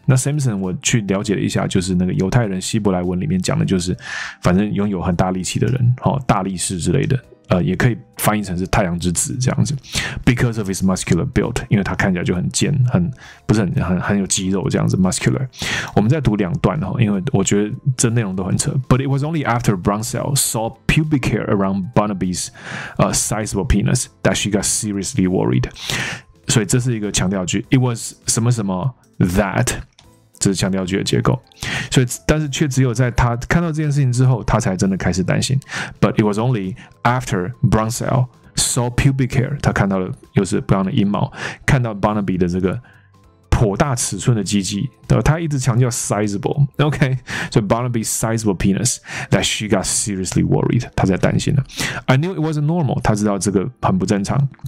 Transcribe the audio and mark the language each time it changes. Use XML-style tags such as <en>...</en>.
<zh>那 Samson 我去了解了一下，就是那个犹太人希伯来文里面讲的就是，反正拥有很大力气的人，哦，大力士之类的。也可以翻译成是太阳之子这样子 ，</zh> <en>because of his muscular build，</en> <zh>因为他看起来就很健，很有肌肉这样子 ，muscular。我们再读两段哈，因为我觉得这内容都很扯。</zh> <en>But it was only after Brownsnell saw pubic hair around Barnaby's sizable penis that she got seriously worried。</en> <zh>所以这是一个强调句 ，it was 什么什么 that。这是强调句的结构，所以但是却只有在他看到这件事情之后，他才真的开始担心。</zh> <en>But it was only after Brownsnell saw pubic hair，</en> <zh>他看到了又是 Brown 的阴毛，看到 Barnaby 的这个颇大尺寸的鸡鸡，他一直强调 sizable， OK， 所以</zh> <en>Barnaby's sizable penis that she got seriously worried，</en> <zh>他在担心了。</zh> <en>I knew it wasn't normal，</en> <zh>他知道这个很不正常。</zh>